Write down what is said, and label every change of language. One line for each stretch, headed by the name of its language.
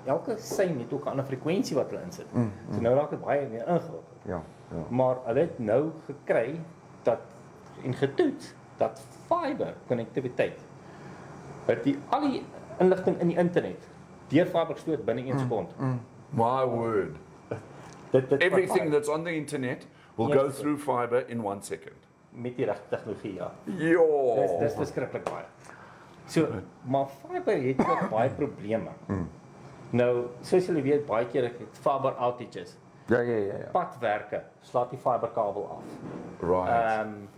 Afrikaans: Elke sein het ook 'n ander frekwensie wat hulle insit. So nou raak dit baie meer ingewikkeld. Ja. Maar hulle het nou gekry dat en getoets dat fiber konnektiwiteit dat die al die inligting in die internet deur fiber gestoot binne 1 sekond.
English: My word.
Afrikaans: Dit
English: everything that's on the internet will go through fiber in 1 second.
Afrikaans: Met die regte tegnologie, ja. Ja. Dis beskryflik baie. So, maar fiber het ook baie probleme. Nou, soos julle weet, baie keer het fiber outages. Ja. Padwerke, slaat die fiberkabel af.
English: Right.